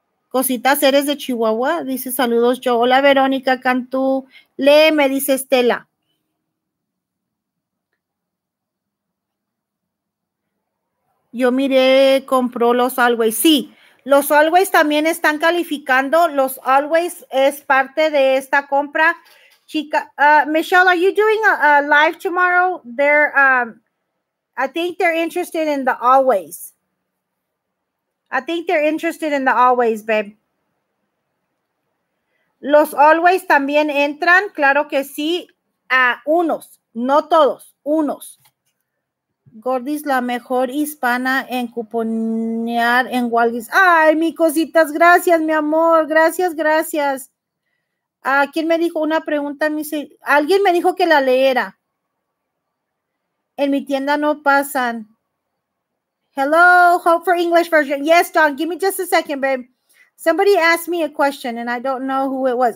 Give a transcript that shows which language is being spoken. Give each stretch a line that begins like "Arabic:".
Spanish: Cositas, eres de Chihuahua, dice saludos yo. Hola, Verónica Cantú. Léeme, dice Estela. Yo miré, compró los Always. Sí, los Always también están calificando. Los Always es parte de esta compra.
English: Chica, Michelle, are you doing a live tomorrow? They're, I think they're interested in the Always. I think they're interested in the Always, babe.
Spanish: Los Always también entran, claro que sí, a unos, no todos, unos. Gordis, la mejor hispana en cuponear en Walgreens. Ay, mi cositas, gracias, mi amor, gracias, gracias. ¿Quién me dijo una pregunta? Alguien me dijo que la leera. En mi tienda no pasan.
English: Hello, hope for English version. Yes, Dawn, give me just a second, babe. Somebody asked me a question and I don't know who it was.